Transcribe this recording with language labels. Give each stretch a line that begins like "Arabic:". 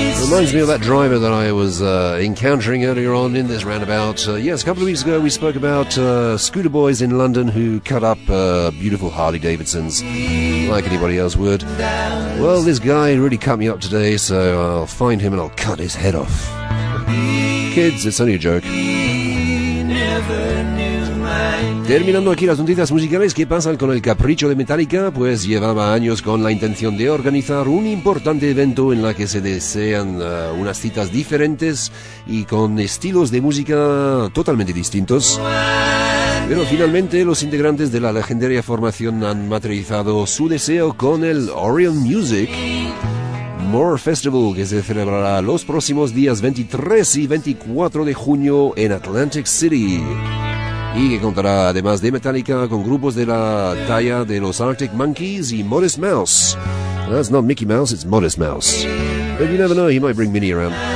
English: Reminds me of that driver that I was encountering earlier on in this roundabout. Yes, a couple of weeks ago we spoke about scooter boys in London who cut up beautiful Harley Davidsons like anybody else would. Well, this guy really cut me up today, so I'll find him and I'll cut his head off. Kids, it's only a joke.
Spanish: Terminando aquí las noticias musicales, ¿qué pasa con el capricho de Metallica? Pues llevaba años con la intención de organizar un importante evento en la que se desean unas citas diferentes y con estilos de música totalmente distintos. Pero finalmente los integrantes de la legendaria formación han materializado su deseo con el Orion Music More Festival, que se celebrará los próximos días 23 y 24 de junio en Atlantic City. Y que contará, además de Metallica, con grupos de la talla de los Arctic Monkeys y Modest Mouse.
English: Well, that's not Mickey Mouse, it's Modest Mouse. But you never know, he might bring Minnie around.